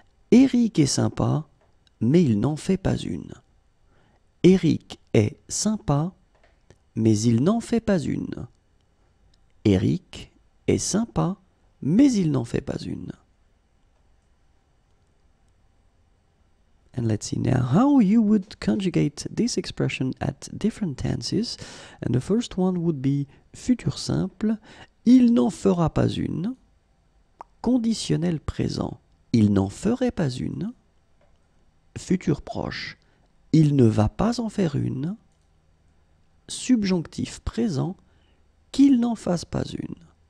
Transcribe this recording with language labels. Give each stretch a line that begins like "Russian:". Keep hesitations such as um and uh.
French: Eric est sympa, mais il n'en fait pas une. Eric est sympa, mais il n'en fait pas une. Eric est sympa, mais il n'en fait pas une.
English: And let's see now how you would conjugate this expression at different tenses. And the first one would be futur simple.
French: Il n'en fera pas une conditionnel présent, il n'en ferait pas une. Futur proche, il ne va pas en faire une. Subjonctif présent, qu'il n'en fasse pas une.